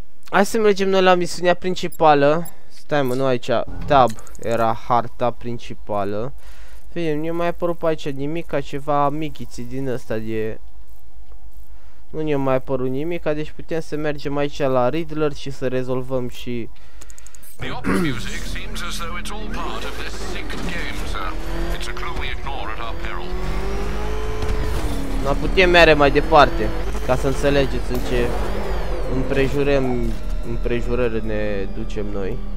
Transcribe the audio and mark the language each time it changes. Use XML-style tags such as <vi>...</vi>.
<ro>Hai să mergem noi la misiunea principală. Stai mă, nu aici, tab, era harta principală. Fie, nu mai apărut pe aici nimic, ca ceva michiți din ăsta de... Nu ne-a mai apărut nimic, deci putem să mergem aici la Riddler și să rezolvăm și...</ro> <en>The opera music seems as though it's all part of this sick game, sir. It's a clue we ignore at our peril.</en> <ro>Nu putem merge mai departe, ca să înțelegeți în ce împrejurăm, împrejurări ne ducem noi.</ro>